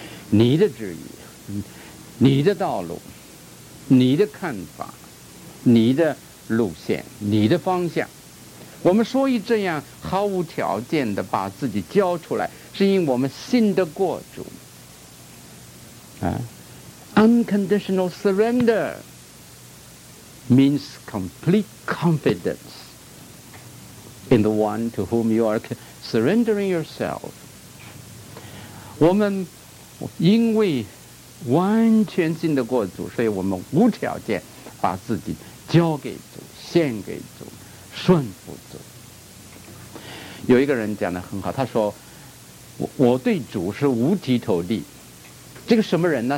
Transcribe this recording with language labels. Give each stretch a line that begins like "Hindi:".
Chinese: 你的旨意，你的道路，你的看法，你的路线，你的方向，我们所以这样毫无条件地把自己交出来，是因为我们信得过主。
English: Unconditional surrender means complete confidence in the one to whom you are surrendering yourself.
Chinese: 我们因为完全信得过主，所以我们无条件把自己交给主，献给主，顺服主。有一个人讲得很好，他说：“我对主是五体投地。” 这个什么人呢？